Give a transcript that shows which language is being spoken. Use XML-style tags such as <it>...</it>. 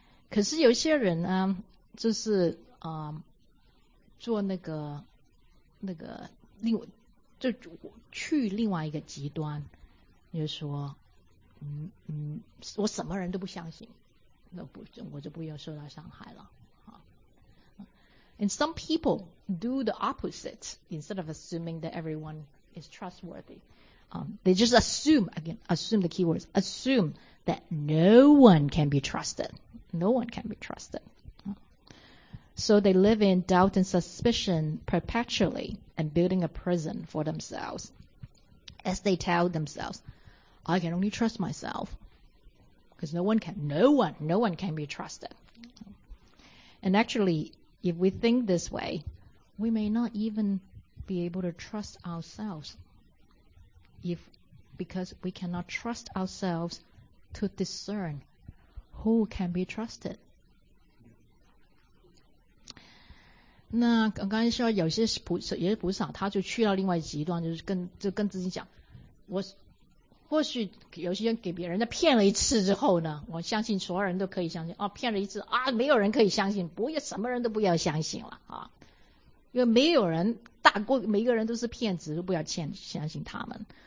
<zh>可是有些人呢，就是啊，做那个另就去另外一个极端，就是说。我什么人都不相信，我就不要受到伤害了。</zh> <en>And some people do the opposite. Instead of assuming that everyone is trustworthy, they just assume the keywords, assume that no one can be trusted. No one can be trusted. So they live in doubt and suspicion perpetually and building a prison for themselves. As they tell themselves, I can only trust myself. Because no one can be trusted. And actually, if we think this way, we may not even be able to trust ourselves because we cannot trust ourselves to discern who can be trusted.</en> <zh>那刚刚说有些菩萨他就去到另外极端，就是跟自己讲，我或许有些人给别人骗了一次之后呢，我相信所有人都可以相信，哦，骗了一次啊，没有人可以相信，不要什么人都不要相信了啊，因为没有人大过每个人都是骗子，都不要相信他们。</zh>